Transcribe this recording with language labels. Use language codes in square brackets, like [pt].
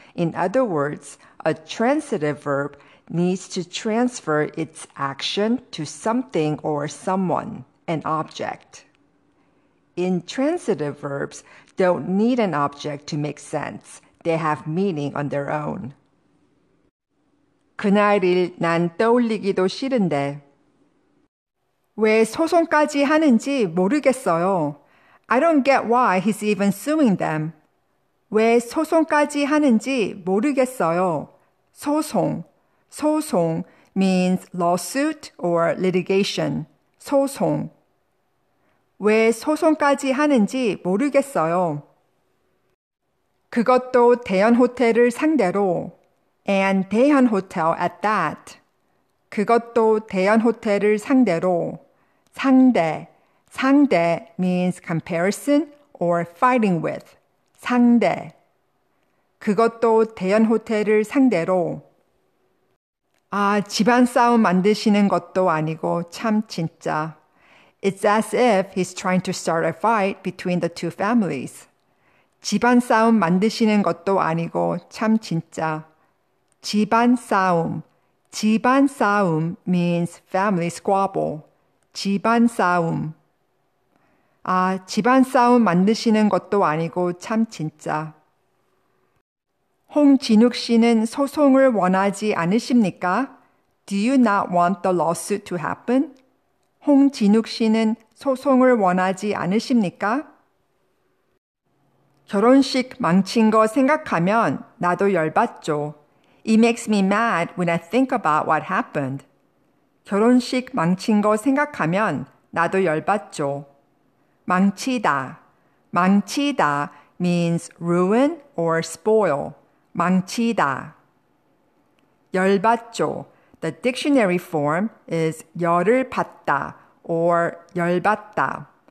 [en] In other words, a transitive verb needs to transfer its action to something or someone, an object. Intransitive verbs don't need an object to make sense. They have meaning on their own. [ko] 그날 일난 떠올리기도 싫은데. 왜 소송까지 하는지 모르겠어요. [en] I don't get why he's even suing them. [ko] 왜 소송까지 하는지 모르겠어요. [en] 소송. 소송 means lawsuit or litigation. 소송. [ko] 왜 소송까지 하는지 모르겠어요. 그것도 대현 호텔을 상대로. [en] And 대현 호텔 at that. [ko] 그것도 대현 호텔을 상대로. [en] 상대. 상대 means comparison or fighting with. 상대. [ko] 그것도 대현 호텔을 상대로. 아, 집안 싸움 만드시는 것도 아니고, 참, 진짜. [en] It's as if he's trying to start a fight between the two families. [ko] 집안 싸움 만드시는 것도 아니고, 참, 진짜. 집안 싸움. 집안 싸움 [en] means family squabble. [ko] 집안 싸움. 아, 집안 싸움 만드시는 것도 아니고, 참, 진짜. 홍진욱 씨는 소송을 원하지 않으십니까? [en] Do you not want the lawsuit to happen? [ko] 홍진욱 씨는 소송을 원하지 않으십니까? 결혼식 망친 거 생각하면 나도 열받죠. [en] It makes me mad when I think about what happened. [ko] 결혼식 망친 거 생각하면 나도 열받죠. [en] 망치다. 망치다 means ruin or spoil. [ko] 망치다. 열받죠. [en] The dictionary form is 열을 받다 or 열받다.